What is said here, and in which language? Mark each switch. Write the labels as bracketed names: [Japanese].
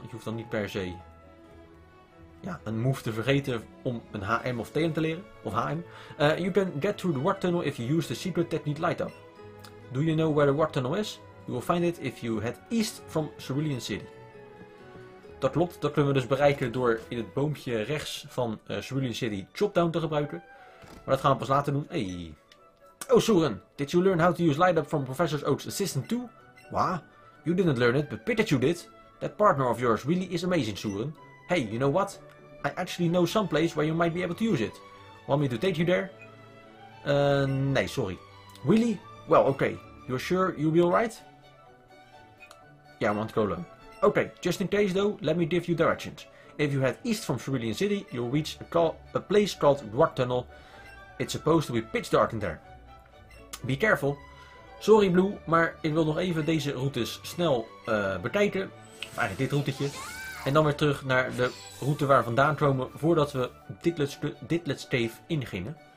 [Dutch] Je hoeft dan niet per se ja, een move te vergeten om een HM of TM te leren. Of HM. [English] You can get through the warp tunnel if you use the secret technique light up. Do you know where the warp tunnel is? You will find it if you head east from Cerulean City. [Dutch] Dat klopt. Dat kunnen we dus bereiken door in het boompje rechts van Cerulean City chopdown te gebruiken. Maar dat gaan we pas later doen. Hey. Oh, Soren. [English] Did you learn how to use light up from Professor Oak's assistant too? Wah. You didn't learn it, but Pikachu did. That partner of yours really is amazing, Soren. Hey, you know what? I actually know some place where you might be able to use it. Want me to take you there? [Dutch] Nee, sorry. [English] Really? Well, okay. You're sure you'll be alright? Yeah, I want to go alone. Okay, just in case though, let me give you directions. If you head east from Cerulean City, you'll reach a place called Rock Tunnel. It's supposed to be pitch dark in there. Be careful. [Dutch] Sorry Blue, maar ik wil nog even deze routes snel bekijken. Eigenlijk dit routetje. En dan weer terug naar de route waar we vandaan komen voordat we Diddlet's Cave ingingen.